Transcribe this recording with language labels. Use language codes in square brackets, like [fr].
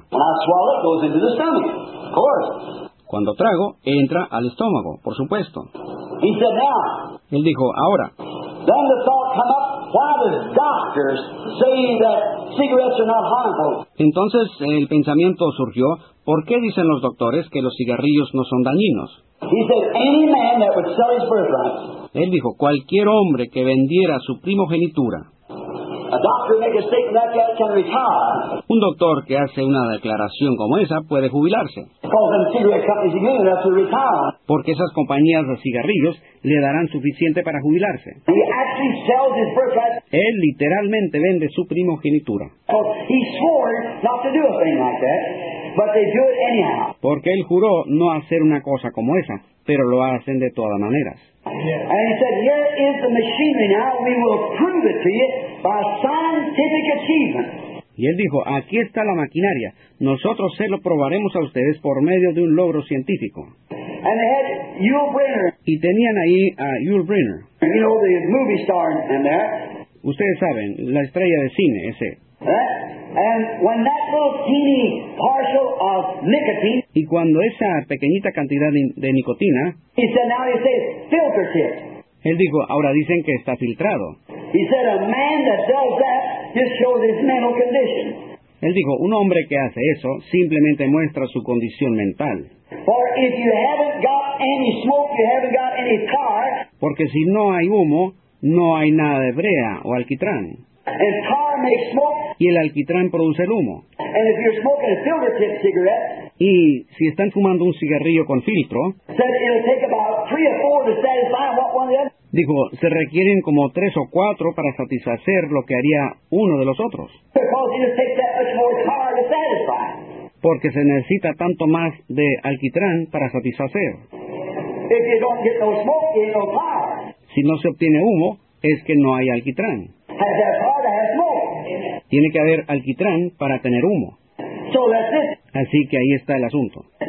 [en] When I swallow, it goes into the stomach, of course. [es] Cuando trago, entra al estómago, por supuesto. [en] He said, now. [es] Él dijo, ahora. [en] Then the thought come up, why do doctors say that cigarettes are not harmful? [es] Entonces el pensamiento surgió, ¿por qué dicen los doctores que los cigarrillos no son dañinos? [en] He said, any man that would sell his birthright. [es] Él dijo, cualquier hombre que vendiera su primogenitura. [en] A doctor make a statement like that can retire. [es] Un doctor que hace una declaración como esa puede jubilarse. [en] Because them cigarette companies are giving enough to retire. [es] Porque esas compañías de cigarrillos le darán suficiente para jubilarse. [en] He actually sells his birthright. [es] Él literalmente vende su primogenitura. [en] Because he swore not to do a thing like that, but they do it anyhow. [es] Porque él juró no hacer una cosa como esa, pero lo hacen de todas maneras. [en] And he said, here is the machinery now, we will prove it to you by scientific achievement. [es] Y él dijo, aquí está la maquinaria, nosotros se lo probaremos a ustedes por medio de un logro científico. [en] And they had Yul Brynner. [es] Y tenían ahí a Yul Brynner. [en] You know the movie star in there. [es] Ustedes saben, la estrella de cine ese. [en] And when that little teeny partial of nicotine. [es] Y cuando esa pequeñita cantidad de nicotina. [en] He said, now he says, filter tip. [es] Él dijo, ahora dicen que está filtrado. [en] He said, a man that does that just shows his mental condition. [es] Él dijo, un hombre que hace eso simplemente muestra su condición mental. [en] For if you haven't got any smoke, you haven't got any tar. [es] Porque si no hay humo, no hay nada de brea o alquitrán. [en] And tar makes smoke. [es] Y el alquitrán produce el humo. [en] And if you're smoking a filter tip cigarette. [es] Y si están fumando un cigarrillo con filtro. [en] Said it'll take about three or four to satisfy what one of the other. [es] Dijo, se requieren como tres o cuatro para satisfacer lo que haría uno de los otros. [en] Because it'll take that much more tar to satisfy. [es] Porque se necesita tanto más de alquitrán para satisfacer. [en] If you don't get no smoke, you ain't no tar. [es] Si no se obtiene humo, es que no hay alquitrán. [en] Has that tar to have smoke. [es] Tiene que haber alquitrán para tener humo. [en] So that's it. [es] Así que ahí está el asunto.